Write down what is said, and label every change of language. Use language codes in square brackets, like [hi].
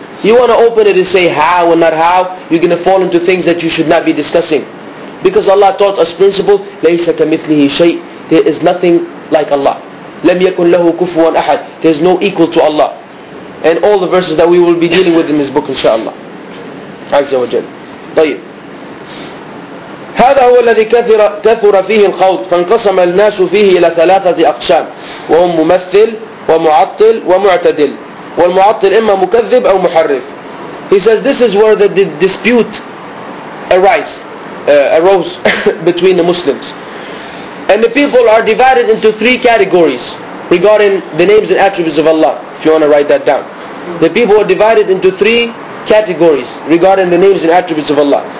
[en] You want to open it and say how and not how, you're going to fall into things that you should not be discussing. [ar] Because Allah taught us principle, لَيْسَ كَمِثْلِهِ شَيْءٍ. [en] There is nothing like Allah. [ar] لَمْ يَكُنْ لَهُ كُفُوًا أَحَدٍ. [en] There is no equal to Allah. And all the verses that we will be dealing with in this book, inshallah. [ar] عز وجل. طيب. هذا هو الذي كثر فيه الخوض فانقسم الناس فيه إلى ثلاثة أقسام وهم ممثل ومعطل ومعتدل والمعطل إما مكذب أو محرف. [en] He says this is where the dispute arose between the Muslims. And the people are divided into three categories regarding the names and attributes of Allah, if you want to write that down. The people are divided into three categories regarding the names and attributes of Allah.